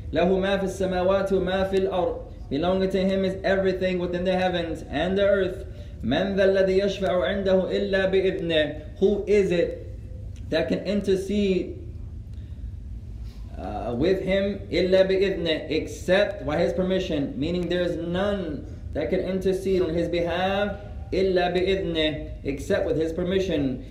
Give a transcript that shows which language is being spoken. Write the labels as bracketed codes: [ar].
[ar] له ما في السماوات وما في الأرض. [en] Belonging to him is everything within the heavens and the earth. [ar] من ذا الذي يشفع عنده إلا بإذنه. [en] Who is it that can intercede with him [ar] إلا بإذنه [en] except by his permission? Meaning there is none that can intercede on his behalf illa bi'idhnih, except with his permission.